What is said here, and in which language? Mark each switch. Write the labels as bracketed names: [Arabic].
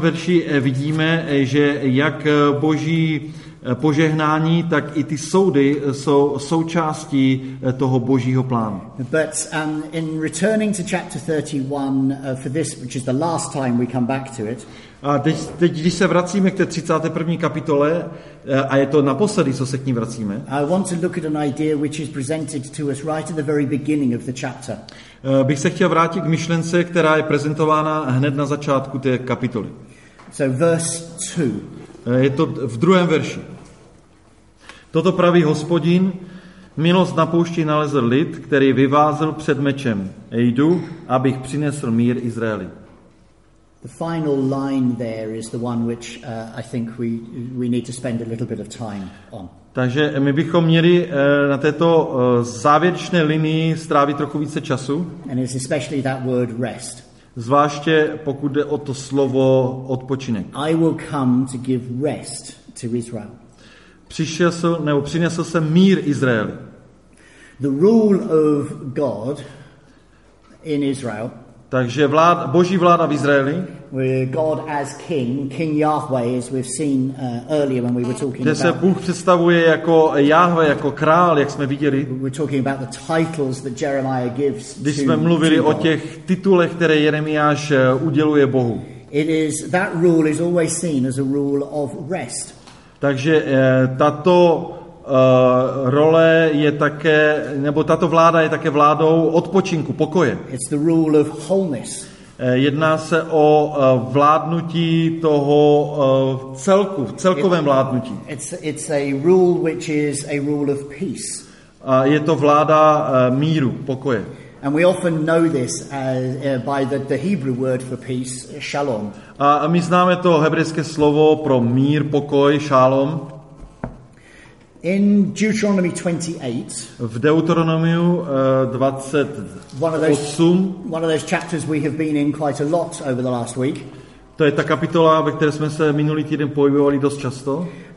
[Czech] verši vidíme, že jak Boží požehnání, tak i ty soudy jsou součástí toho Božího plánu. [English] But in returning to chapter 31 for this, which is the last time we come back to it. [Czech] A teď, když se vracíme k té 31. kapitole, a je to naposledy, co se k ní vracíme. [English] I want to look at an idea which is presented to us right at the very beginning of the chapter. [Czech] Bych se chtěl vrátit k myšlence, která je prezentována hned na začátku té kapitoly. [English] So verse 2. [Czech] Je to v druhém verši. Toto praví Hospodin, milost na poušti nalezl lid, který vyvázel před mečem. Jdu, abych přinesl mír Izraeli. [English] The final line there is the one which I think we need to spend a little bit of time on. [Czech] Takže my bychom měli na této závěrečné linii strávit trochu více času. [English] And it's especially that word rest. [Czech] Zvláště pokud jde o to slovo odpočinek. [English] I will come to give rest to Israel. [Czech] Přinesl jsem mír Izraeli. [English] The rule of God in Israel. [Czech] Takže vláda, Boží vláda v Izraeli. [English] God as king, King Yahweh, as we've seen earlier when we were talking about. [Czech] Kde se Bůh představuje jako Jahve, jako král, jak jsme viděli. [English] We're talking about the titles that Jeremiah gives. [Czech] Když jsme mluvili o těch titulech, které Jeremiáš uděluje Bohu. [English] It is that rule is always seen as a rule of rest. [Czech] Takže tato role je také, nebo tato vláda je také vládou odpočinku, pokoje. [English] It's the rule of wholeness. [Czech] Jedná se o vládnutí toho celku, celkovém vládnutí. [English] It's a rule which is a rule of peace. [Czech] A je to vláda míru, pokoje. [English] And we often know this as by the Hebrew word for peace, shalom. [Czech] A my známe to hebrejské slovo pro mír, pokoj, shalom. [English] In Deuteronomy 28, [Czech] v Deuteronomiu 28, [English] one of those chapters we have been in quite a lot over the last week. [Czech] To je ta kapitola, ve které jsme se minulý týden pohybovali dost často.